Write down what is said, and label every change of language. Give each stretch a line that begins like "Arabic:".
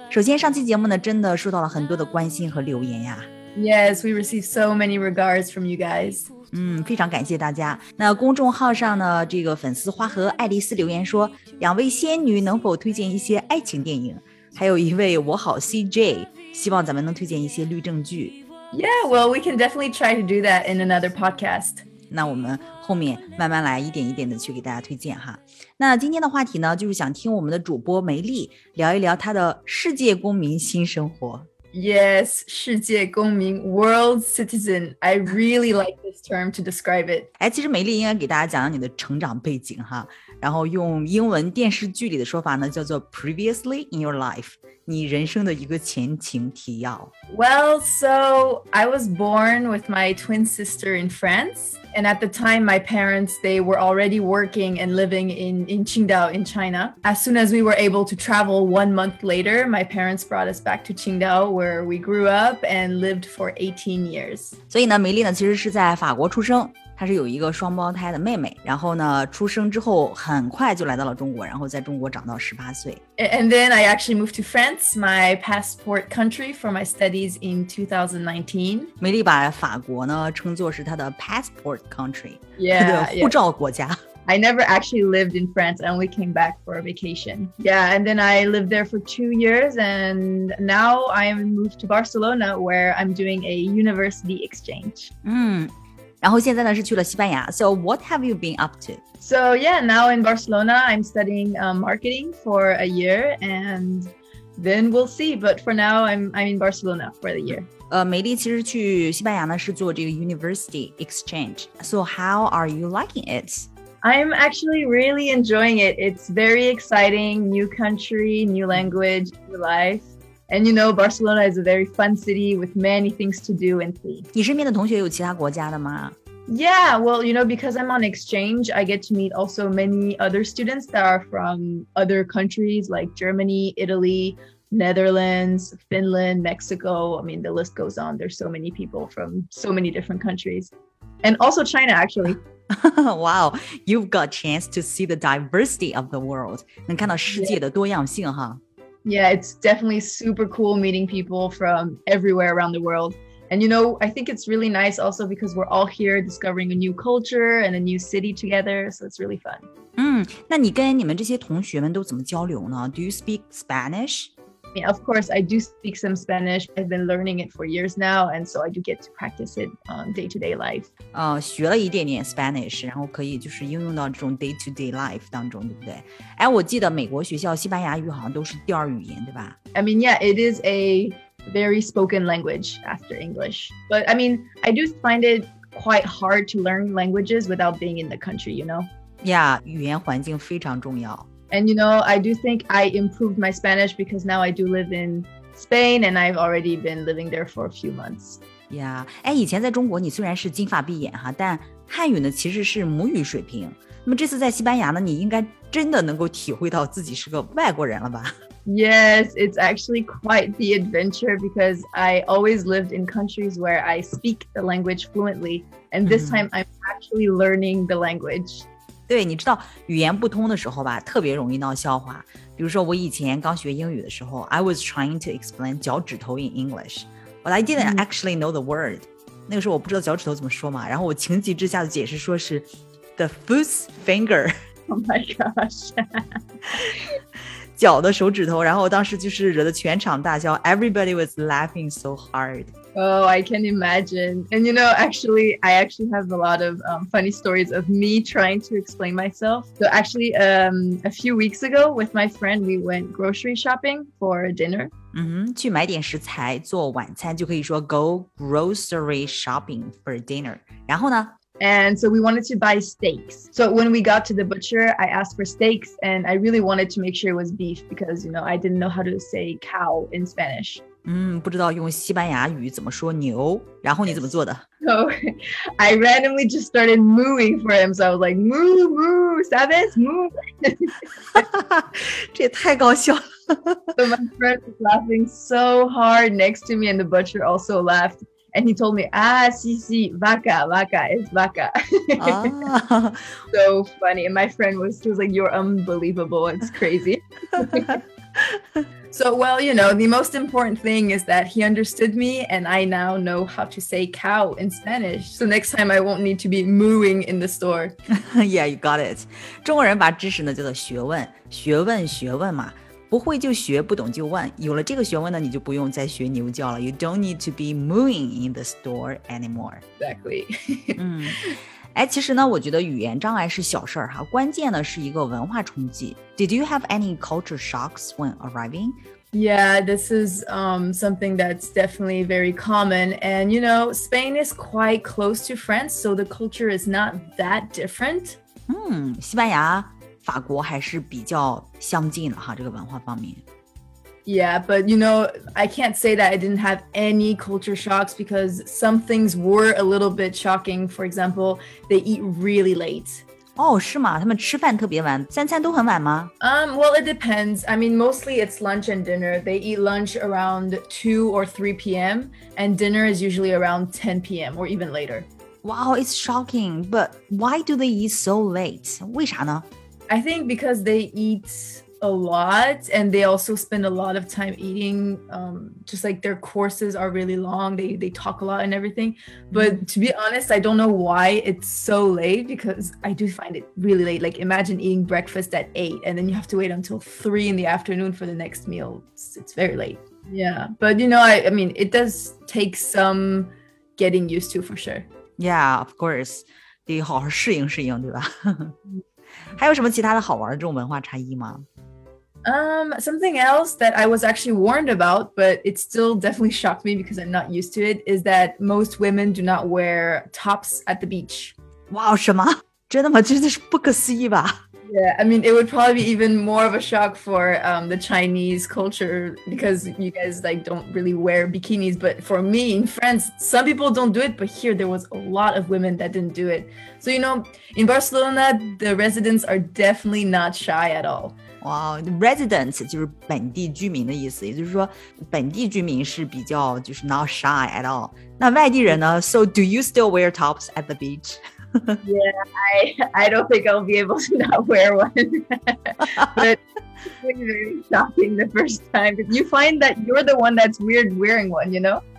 Chinese: 首先，上期节目呢，真的受到了很多的关心和留言呀。
English: Yes, we received so many regards from you guys.
Chinese: 非常感谢大家。那公众号上呢，这个粉丝花和爱丽丝留言说，两位仙女能否推荐一些爱情电影，还有一位我好 CJ 希望咱们能推荐一些律政剧。
English: Yeah, well, we can definitely try to do that in another podcast.
Chinese: 那我们后面慢慢来，一点一点的去给大家推荐哈。那今天的话题呢，就是想听我们的主播梅丽聊一聊她的世界公民新生活。
English: Yes,
Chinese: 世界公民
English: world citizen. I really like this term to describe it.
Chinese: 哎，其实梅丽应该给大家讲讲你的成长背景哈，然后用英文电视剧里的说法呢，叫做
English: previously in your life，
Chinese: 你人生的一个前情提要。
English: Well, so I was born with my twin sister in France, and at the time, my parents they were already working and living in Qingdao in China. As soon as we were able to travel 1 month later, my parents brought us back to Qingdao where we grew up and lived for 18 years.
Chinese: 所以呢，梅丽呢其实是在法国出生。她是有一个双胞胎的妹妹，然后呢，出生之后很快就来到了中国，然后在中国长到18岁。
English: And then I actually moved to France, my passport country, for my studies in 2019.
Chinese: 梅丽把法国呢称作是她的
English: passport country， yeah,
Chinese: 她的护照国家。
English: Yeah. I never actually lived in France, I only came back for a vacation. Yeah, and then I lived there for 2 years, and now I'm moved to Barcelona, where I'm doing a university exchange.
Chinese: 然后现在呢是去了西班牙。
English: So what have you been up to? So yeah, now in Barcelona, I'm studying marketing for a year, and then we'll see. But for now, I'm in Barcelona for the year.
Chinese: 梅丽其实去西班牙呢是做这个 university exchange.
English: So how are you liking it? I'm actually really enjoying it. It's very exciting, new country, new language, new life. And you know, Barcelona is a very fun city with many things to do and see.
Chinese: 你身边的同学有其他国家的吗？
English: Yeah, well, you know, because I'm on exchange, I get to meet also many other students that are from other countries like Germany, Italy, Netherlands, Finland, Mexico. I mean, the list goes on. There's so many people from so many different countries. And also China, actually. Wow, you've got a chance to see the diversity of the world.
Chinese: 能看到世界的多样性哈。
English: Yeah, it's definitely super cool meeting people from everywhere around the world. And you know, I think it's really nice also because we're all here discovering a new culture and a new city together, so it's really fun.
Chinese: 那你跟你们这些同学们都怎么交流呢?
English: Do you speak Spanish? Yeah, of course, I do speak some Spanish. I've been learning it for years now, and so I do get to practice it on day-to-day life.
Chinese: 学了一点点 Spanish, 然后可以就是应用到这种 day-to-day life 当中，对不对？哎，我记得美国学校西班牙语好像都是第二语言，对吧？
English: I mean, yeah, it is a very spoken language after English. But I mean, I do find it quite hard to learn languages without being in the country, you know?
Chinese: Yeah, 语言环境非常重要。
English: And you know, I do think I improved my Spanish because now I do live in Spain and I've already been living there for a few months. Yeah.
Chinese: 哎，以前在中国你虽然是金发碧眼哈，但汉语呢其实是母语水平。那么这次在西班牙呢，你应该真的能够体会到自己是个外国人了吧？
English: Yes, it's actually quite the adventure because I always lived in countries where I speak the language fluently. And this time I'm actually learning the language.
Chinese: 对，你知道语言不通的时候吧，特别容易闹笑话。比如说我以前刚学英语的时候
English: ，I was trying to explain 脚趾头 in English， but I didn't actually know the word。
Chinese: 那个时候我不知道脚趾头怎么说嘛，然后我情急之下的解释说是
English: the foot's finger。 Oh my gosh！
Chinese: 脚的手指头，然后当时就是惹得全场大笑 ，
English: everybody was laughing so hard。 Oh, I can imagine. And you know, actually, I actually have a lot of funny stories of me trying to explain myself. So actually, a few weeks ago with my friend, we went grocery shopping for dinner.
Chinese: 去买点食材做晚餐就可以说
English: go grocery shopping for dinner.
Chinese: 然后呢?
English: And so we wanted to buy steaks. So when we got to the butcher, I asked for steaks and I really wanted to make sure it was beef because, you know, I didn't know how to say cow in Spanish.
Chinese: 不知道用西班牙语怎么说牛，然后你怎么做的？
English: So, I randomly just started mooing for him. So I was like, moo, moo,
Spanish: sabes,
English: moo.
Chinese: 这也太搞笑了。
English: So my friend was laughing so hard next to me, and the butcher also laughed. And he told me,
Spanish: ah, si, si, vaca, vaca,
English: it's vaca. Ah. So funny. And my friend was like, you're unbelievable. It's crazy. So, well, you know, the most important thing is that he understood me, and I now know how to say cow in Spanish. So next time I won't need to be mooing in the store. Yeah, you got it.
Chinese: 中国人把知识呢叫做学问，学问，学问嘛。不会就学，不懂就问。有了这个学问呢，你就不用再学牛叫了。
English: You don't need to be mooing in the store anymore. Exactly.
Chinese: 哎，其实呢，我觉得语言障碍是小事儿哈，关键呢是一个文化冲击。
English: Did you have any culture shocks when arriving? Yeah, this is something that's definitely very common. And you know, Spain is quite close to France, so the culture is not that different.
Chinese: 西班牙、法国还是比较相近的哈，这个文化方面。
English: Yeah, but you know, I can't say that I didn't have any culture shocks because some things were a little bit shocking. For example, they eat really late.
Chinese: Oh, 是吗？他们吃饭特别晚，三餐都很晚吗？
English: Well, it depends. I mean, mostly it's lunch and dinner. They eat lunch around 2 or 3 p.m. and dinner is usually around 10 p.m. or even later. Wow, it's shocking. But why do they eat so late? 为啥呢？ I think because they eat... a lot, and they also spend a lot of time eating, just like their courses are really long, they talk a lot and everything. But to be honest, I don't know why it's so late, because I do find it really late. Like, imagine eating breakfast at 8, and then you have to wait until 3 in the afternoon for the next meal. It's very late. Yeah, but you know, I mean, it does take some getting used to, for sure. Yeah, of course.
Chinese: 得好好适应适应，对吧？还有什么其他的好玩的这种文化差异吗？
English: Something else that I was actually warned about, but it still definitely shocked me because I'm not used to it, is that most women do not wear tops at the beach.
Chinese: Wow, 什么？真的吗？真的是不可思议吧。
English: Yeah, I mean, it would probably be even more of a shock for the Chinese culture because you guys like don't really wear bikinis. But for me in France, some people don't do it. But here there was a lot of women that didn't do it. So, you know, in Barcelona, the residents are definitely not shy at all.
Chinese: Wow, residents 就是本地居民的意思，也就是说本地居民是比较就是
English: not shy at all.
Chinese: 那外地人呢？
English: So do you still wear tops at the beach? Yeah, I don't think I'll be able to not wear one. But it's very shocking the first time. You find that you're the one that's weird wearing one, you know?